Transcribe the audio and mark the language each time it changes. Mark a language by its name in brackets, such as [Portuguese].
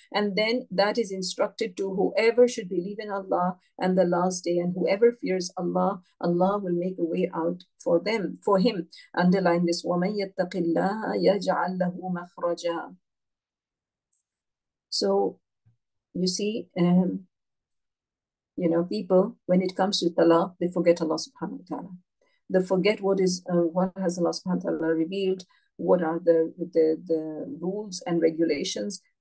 [English] And then that is instructed to whoever should believe in Allah and the last day, and whoever fears Allah, Allah will make a way out for them, for him. Underline this, [Arabic] وَمَنْ يَتَّقِ اللَّهَ يَجْعَلْ لَهُ مَخْرَجًا. [English] So you see, you know, people, when it comes to talaq, they forget Allah subhanahu wa ta'ala. They forget what has Allah subhanahu wa ta'ala revealed, what are the rules and regulations.